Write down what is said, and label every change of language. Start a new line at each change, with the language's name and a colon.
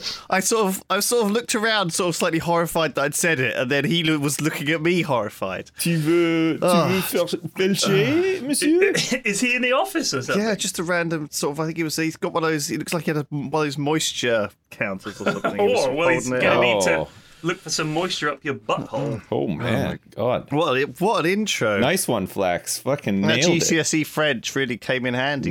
English: I sort of looked around, sort of slightly horrified that I'd said it, and then he was looking at me horrified.
French: Tu veux felcher, monsieur?
English: Is he in the office or something? Yeah, just a random sort of. I think he was. He's got one of those. He looks like he had one of those moisture counters or something. Look for some moisture up your butthole. Oh, man. Oh, my God. What an intro. Nice one, Flax. Fucking nailed it. That GCSE French really came in handy